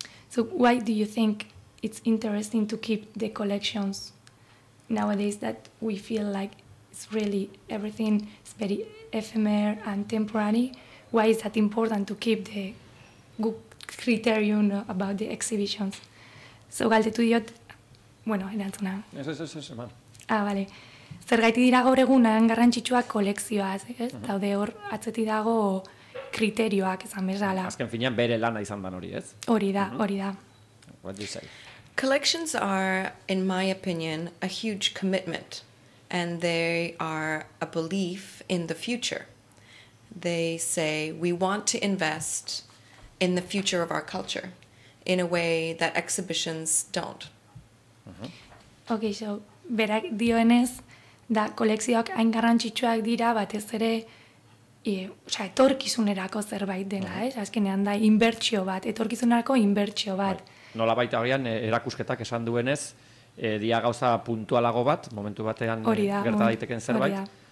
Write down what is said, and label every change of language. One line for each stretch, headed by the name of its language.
English: So, why do you think it's interesting to keep the collections nowadays that we feel like it's really everything is very ephemeral and temporary? Why is that important to keep the good criterion about the exhibitions?
Basque: So, galdetu diot, bueno, erantzuna. Eso, man. Ah, vale. Zergaitik dira gaur egunan garrantzitsuak kolekzioaz, ez? Uh-huh. Daude hor atzetik dago kriterioak izan bezala. Azken finean bere lana izan da hori, ez? Hori da, uh-huh. Hori da.
English: What do you say? Collections are, in my opinion, a huge commitment. And they are a belief in the future. They say, we want to invest in the future of our culture in a way that exhibitions don't.
Basque: Uh-huh. Okay, so, berak dioenez, da kolekzioak hain garrantzitsuak dira batez ere etorkizunerako zerbait dela, ez? Azkenean da inbertsio bat, etorkizunerako inbertsio bat. Bai. Nola baita horian erakusketak esan duenez, dia gauza puntualago bat, momentu batean gerta daiteken zerbait.